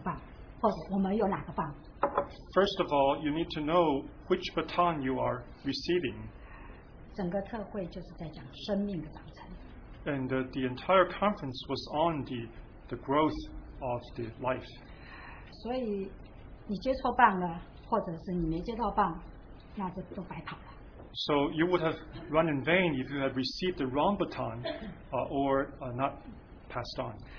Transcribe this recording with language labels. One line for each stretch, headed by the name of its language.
Chinese: 首先我们要知道我们要接哪个棒，或者我们有哪个棒。
English: First of all, you need to know which baton you are receiving.
Chinese: 整个特会就是在讲生命的长成。
English: And the entire conference was on the growth of the life.
Chinese: 所以你接错棒了，或者是你没接到棒，那就都白跑了。
English: So you would have run in vain if you had received the wrong baton or not passed on.